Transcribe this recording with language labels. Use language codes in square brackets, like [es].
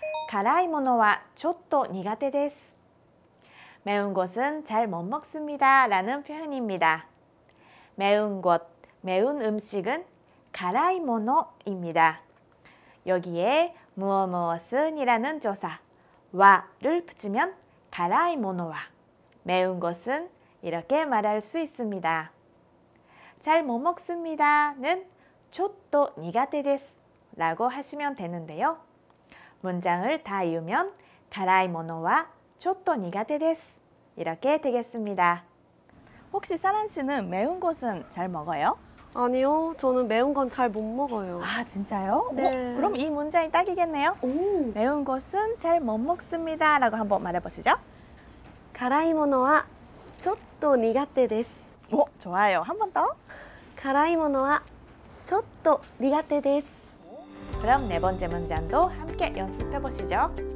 [ja] 辛いものはちょっと苦手です。 [ko] 매운 것은 잘 못 먹습니다. 라는 표현입니다. 매운 것, 매운 음식은 [ja] 辛いもの [ko] 입니다. 여기에 무엇무엇은이라는 조사, 와를 붙이면 [ja] 辛いものは, [ko] 매운 것은 이렇게 말할 수 있습니다. 잘 못 먹습니다는 [ja] ちょっと苦手です. [ko] 라고 하시면 되는데요. 문장을 다 이으면 [ja] 辛いものはちょっと苦手です. [ko] 이렇게 되겠습니다. 혹시 사란 씨는 매운 것은 잘 먹어요? 아니요. 저는 매운 건 잘 못 먹어요. 아, 진짜요? 네. 오, 그럼 이 문장이 딱이겠네요. 오. 매운 것은 잘 못 먹습니다. 라고 한번 말해보시죠. [ja] 辛いものはちょっと苦手です. [ko] 오, 좋아요. 한번 더. [ja] 辛いものはちょっと苦手です. [ko] 그럼 네 번째 문장도 함께 연습해 보시죠.